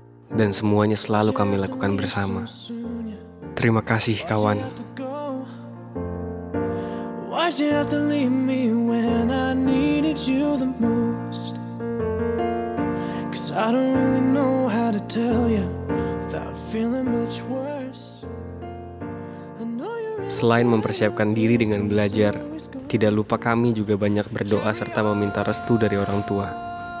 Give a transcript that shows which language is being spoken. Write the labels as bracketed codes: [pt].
[id] Dan semuanya selalu kami lakukan bersama. Terima kasih, kawan. [en] Why'd you have to leave me when I needed you the most? 'Cause I don't really know how to tell you without feeling much worse. [id] Selain mempersiapkan diri dengan belajar, tidak lupa kami juga banyak berdoa serta meminta restu dari orang tua.